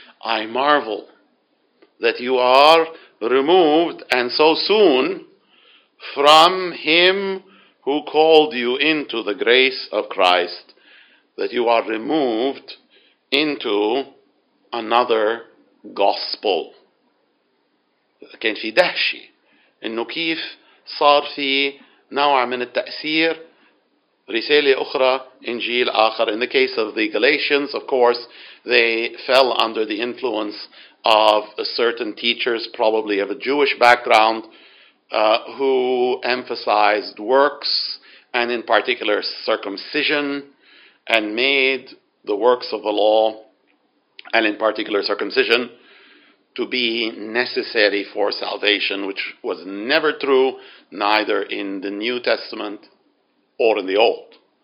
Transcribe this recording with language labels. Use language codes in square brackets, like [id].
[en] I marvel that you are removed and so soon from him who called you into the grace of Christ, that you are removed into another gospel. [ar] كان في دهشة إنه كيف صار في نوع من التأثير رسالة أخرى إنجيل آخر. [en] In the case of the Galatians, of course, they fell under the influence of a certain teachers, probably of a Jewish background, who emphasized works, and in particular circumcision, and made the works of the law, and in particular circumcision, to be necessary for salvation, which was never true, neither in the New Testament or in the Old.